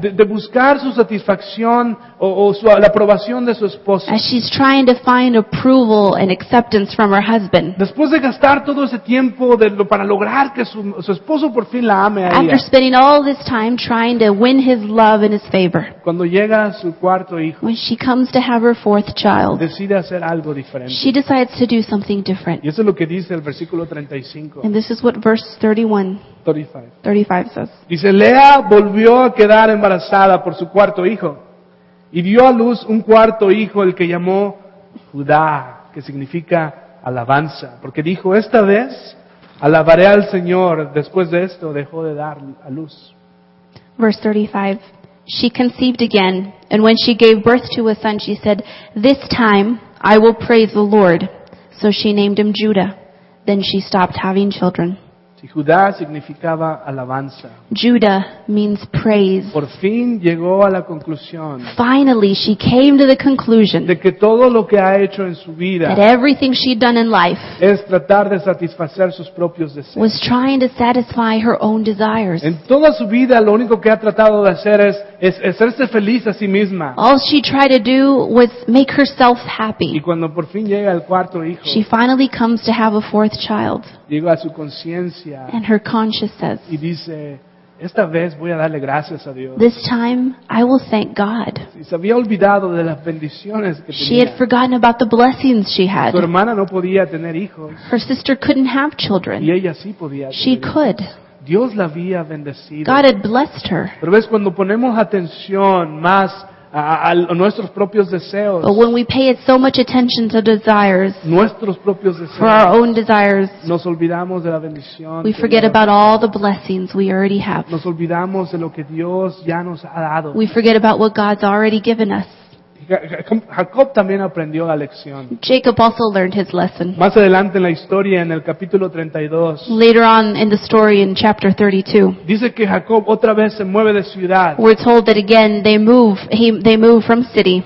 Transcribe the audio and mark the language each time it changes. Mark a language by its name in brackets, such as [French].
[Spanish] de buscar su satisfacción o su, la aprobación de su esposo, [English] as she's trying to find approval and acceptance from her husband, [Spanish] después de gastar todo ese tiempo para lograr que su esposo por fin la ame a ella, [English] after spending all this time trying to win his love and his favor, [Spanish] cuando llega su cuarto hijo, [English] when she comes to have her fourth child, [Spanish] decide hacer algo diferente. [English] She decides to do something different. [Spanish] Y eso es lo que dice el versículo 35. [English] And this is what verse 35 says. [Spanish] Dice, Lea volvió a quedar embarazada por su cuarto hijo y dio a luz un cuarto hijo, el que llamó Judá, que significa alabanza, porque dijo, esta vez alabaré al Señor. Después de esto dejó de dar a luz. [English] Verse 35. She conceived again, and when she gave birth to a son, she said, this time I will praise the Lord. So she named him Judah. Then she stopped having children. [Spanish] Si Judá significaba alabanza. [English] Judah means praise. [Spanish] Por fin llegó a la conclusión. [English] Finally, she came to the conclusion [Spanish] de que todo lo que ha hecho en su vida, [English] that everything she'd done in life, [Spanish] es tratar de satisfacer sus propios deseos, [English] was trying to satisfy her own desires. [Spanish] En toda su vida, lo único que ha tratado de hacer es hacerse feliz a sí misma. [English] All she tried to do was make herself happy. [Spanish] Y cuando por fin llega el cuarto hijo, [English] she finally comes to have a fourth child. [Spanish] Llega a su conciencia. [English] And her conscience says, [Spanish] y dice, esta vez voy a darle gracias a Dios. [English] This time, I will thank God. [Spanish] Se había olvidado de las bendiciones que tenía. [English] She had forgotten about the blessings she had. [Spanish] Su hermana no podía tener hijos. [English] Her sister couldn't have children. [Spanish] Y ella sí podía tener. [English] She could. [Spanish] Dios la había bendecido. [English] God had blessed her. [Spanish] Pero ves, cuando ponemos atención más a nuestros propios deseos. [English] But when we pay so much attention to desires, [Spanish] nuestros propios deseos, [English] for our own desires, [Spanish] nos olvidamos de la bendición. [English] We forget about all the blessings we already have. [Spanish] Nos olvidamos de lo que Dios ya nos ha dado. [English] We forget about what God's already given us. [Spanish] Jacob también aprendió la lección. [English] Jacob also learned his lesson. [Spanish] Más adelante en la historia, en el capítulo 32. [English] Later on in the story, in chapter 32. [Spanish] Dice que Jacob otra vez se mueve de ciudad. [English] We're told that again they move from city.